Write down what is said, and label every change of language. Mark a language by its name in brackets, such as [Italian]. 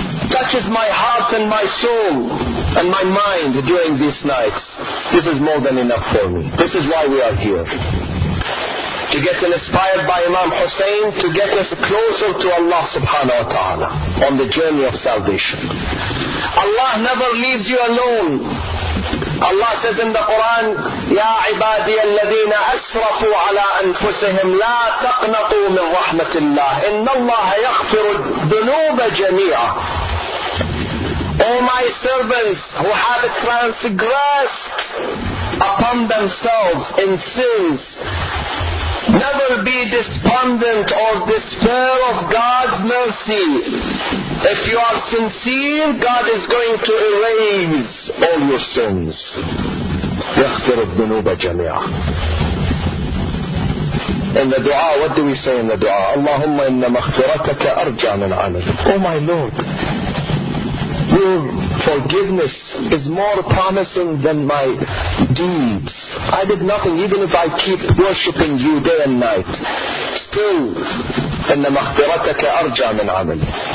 [English] Touches my heart and my soul and my mind during these nights. This is more than enough for me. This is why we are here. To get inspired by Imam Hussein, to get us closer to Allah subhanahu wa ta'ala on the journey of salvation. Allah never leaves you alone. Allah says in the Quran, [Arabic] يَا عِبَادِيَ الَّذِينَ أَسْرَفُوا عَلَىٰ أَنفُسِهِمْ لَا تَقْنَطُوا مِنْ رَحْمَةِ اللَّهِ إِنَّ اللَّهَ يَغْفِرُ الذُّنُوبَ جَمِيعًا. [English] All my servants who have transgressed upon themselves in sins, never be despondent or despair of God's mercy. If you are sincere, God is going to erase all your sins. [Arabic] يغفر الذنوب جميعا. [English] In the dua, what do we say in the dua? [Arabic] اللهم إن مغفرتك أرجى من عملك. [English] Oh my Lord, your forgiveness is more promising than my deeds. I did nothing, even if I keep worshipping you day and night. Still, [Arabic] إن مغفرتك أرجى من عملك.